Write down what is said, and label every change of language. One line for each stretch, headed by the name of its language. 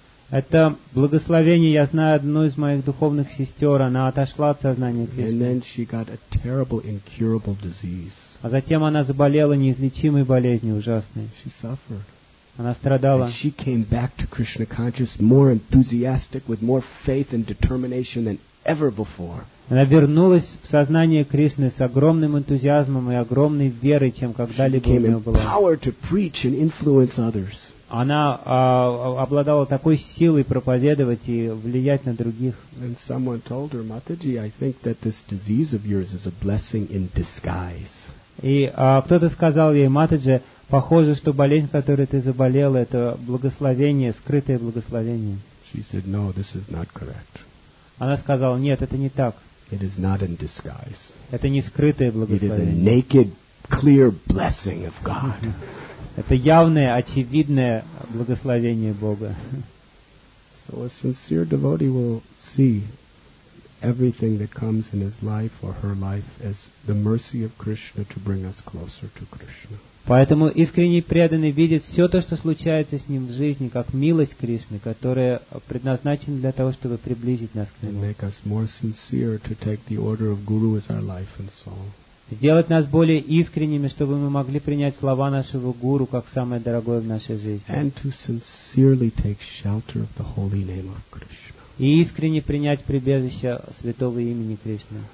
Russian: Это благословение. Я знаю одну из моих духовных сестер. Она отошла от сознания Кришны.
English: And then she got a terrible, incurable disease.
Russian: А затем она заболела неизлечимой болезнью ужасной.
English: She suffered.
Russian: Она страдала.
English: And she came back to Krishna consciousness more enthusiastic, with more faith and determination than ever before.
Russian: Она вернулась в сознание Кришны с огромным энтузиазмом и огромной верой, чем когда-либо у нее было.
English: Power to preach and influence others.
Russian: Она обладала такой силой проповедовать и влиять на других.
English: And someone told her, Mataji, I think that this disease of yours is a blessing in disguise.
Russian: И кто-то сказал ей, Матаджи, похоже, что болезнь, которой ты заболела, это благословение, скрытое благословение.
English: She said, no, this is not correct.
Russian: Она сказала, нет, это не так.
English: It is not in disguise.
Russian: Это не скрытое благословение.
English: It is a naked, clear blessing of God.
Russian: Это явное, очевидное благословение Бога.
English: So a sincere devotee will see everything that comes in his life or her life as the mercy of Krishna to bring us closer to Krishna.
Russian: Поэтому искренний преданный видит все то, что случается с ним в жизни, как милость Кришны, которая предназначена для того, чтобы приблизить нас к Нему.
English: And make us more sincere to take the order of Guru as our life and soul.
Russian: Сделать нас более искренними, чтобы мы могли принять слова нашего Гуру как самое дорогое в нашей жизни.
English: And to sincerely take shelter of the holy name of Krishna.
Russian: И искренне принять прибежище святого имени Кришны.